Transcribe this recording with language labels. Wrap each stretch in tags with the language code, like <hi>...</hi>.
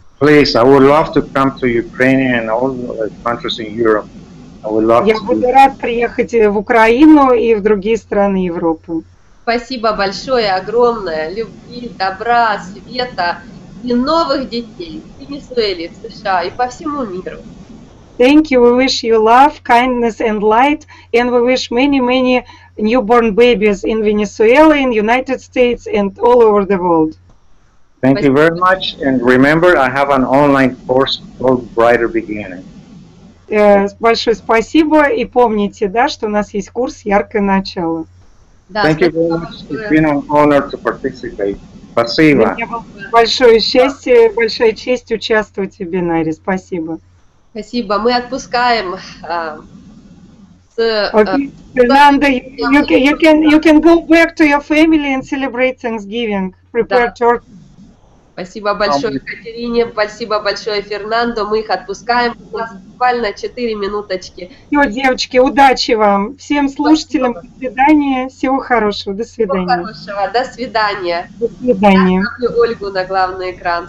<en>Please, I would love to come to Ukraine and all countries in Europe.</en> <ru>Я буду рад приехать в Украину и в другие страны Европы. Спасибо большое, огромное. Любви, добра, света и новых детей в Венесуэле, в США и по всему миру.</ru> <en>Thank you. We wish you love, kindness and light. And we wish many, many newborn babies in Venezuela, in United States and all over the world. Thank you very much. And remember, I have an online course called Brighter Beginning.</en> <ru>Большое спасибо, и помните, да, что у нас есть курс «Яркое начало». Да,</ru> <en>thank you very much. It's been an honor to participate.</en> <ru>Спасибо. Большое счастье, большая честь участвовать в вебинаре. Спасибо. Спасибо. Мы отпускаем</ru> <en>Фернандо, you can go back to your family and celebrate Thanksgiving. Prepare turkey.</en> <ru>Спасибо большое, Екатерине. Спасибо большое, Фернандо. Мы их отпускаем. У нас буквально 4 минуточки. Все, девочки, удачи вам. Всем слушателям спасибо. До свидания. Всего хорошего. До свидания. Всего хорошего. До свидания. До свидания. Я ставлю Ольгу на главный экран.</ru>